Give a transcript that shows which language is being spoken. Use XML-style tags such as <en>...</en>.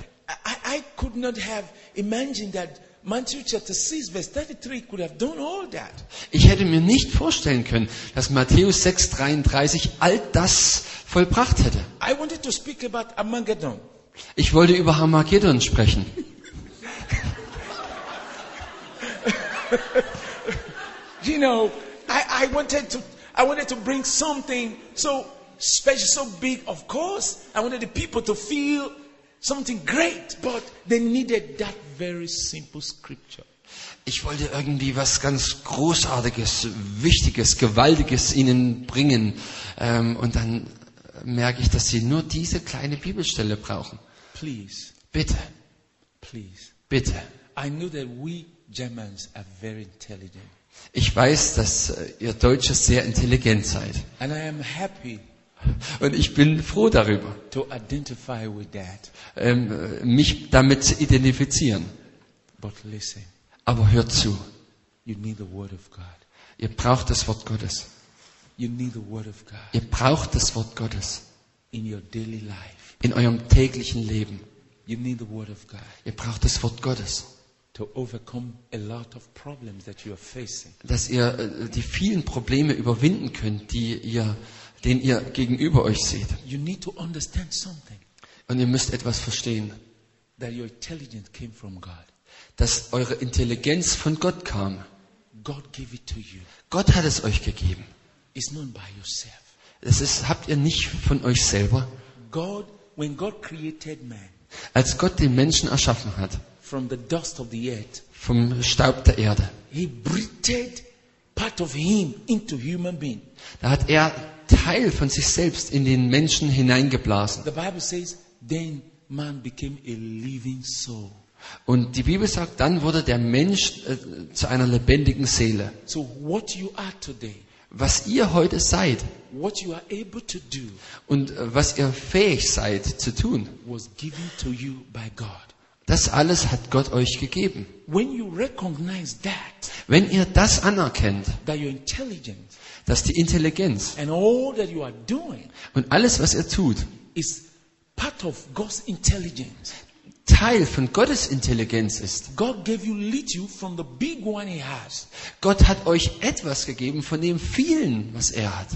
<en>I could not have imagined that. Matthew chapter 6 verse 33 could have done all that.</en> <de>Ich hätte mir nicht vorstellen können, dass Matthäus 6:33 all das vollbracht hätte.</de> <en>I wanted to speak about Armageddon.</en> <de>Ich wollte über Armageddon sprechen.</de> <en>You know, I wanted to bring something so special, so big, of course. I wanted the people to feel something great, but they needed that very simple scripture.</en> <de>Ich wollte irgendwie was ganz Großartiges, Wichtiges, Gewaltiges ihnen bringen, und dann merke ich, dass sie nur diese kleine Bibelstelle brauchen.</de> <en>Please,</en> <de>bitte,</de> <en>please,</en> <de>bitte.</de> <en>I know that we Germans are very intelligent.</en> <de>Ich weiß, dass ihr Deutsche sehr intelligent seid.</de> <en>And I am happy.</en> <de>Und ich bin froh darüber,</de> <en>to identify with that.</en> <de>Mich damit zu identifizieren.</de> <en>But listen,</en> <de>aber hört zu.</de> <en>You need the word of God.</en> <de>Ihr braucht das Wort Gottes.</de> <en>You need the word of God.</en> <de>Ihr braucht das Wort Gottes.</de> <en>In your daily life.</en> <de>In eurem täglichen Leben.</de> <en>You need the word of God.</en> <de>Ihr braucht das Wort Gottes.</de> <en>To overcome a lot of problems that you are facing.</en> <de>Dass ihr die vielen Probleme überwinden könnt, die ihr den ihr gegenüber euch seht.</de> <en>You need to understand something.</en> <de>Und ihr müsst etwas verstehen.</de> <en>That your intelligence came from God.</en> <de>Dass eure Intelligenz von Gott kam.</de> <en>God gave it to you.</en> <de>Gott hat es euch gegeben.</de> <en>It's not by yourself.</en> <de>Das ist, habt ihr nicht von euch selber.</de> <en>God, when God created man,</en> <de>als Gott den Menschen erschaffen hat,</de> <en>from the dust of the earth,</en> <de>vom Staub der Erde,</de> <en>he breathed part of him into human being.</en> <de>Da hat er Teil von sich selbst in den Menschen hineingeblasen.</de> <en>The Bible says, then man became a living soul.</en> <de>Und die Bibel sagt, dann wurde der Mensch zu einer lebendigen Seele.</de> <en>So what you are today,</en> <de>was ihr heute seid,</de> <en>what you are able to do,</en> <de>und was ihr fähig seid zu tun,</de> <en>was given to you by God.</en> <de>Das alles hat Gott euch gegeben.</de> <en>When you recognize that,</en> <de>wenn ihr das anerkennt,</de> <en>that you're intelligent,</en> <de>dass die Intelligenz</de> <en>and all that you are doing,</en> <de>und alles, was ihr tut, ist</de> <en>part of God's intelligence.</en> <de>Teil von Gottes Intelligenz ist.</de> <en>God gave you little from the big one he has.</en> <de>Gott hat euch etwas gegeben von dem vielen, was er hat.</de>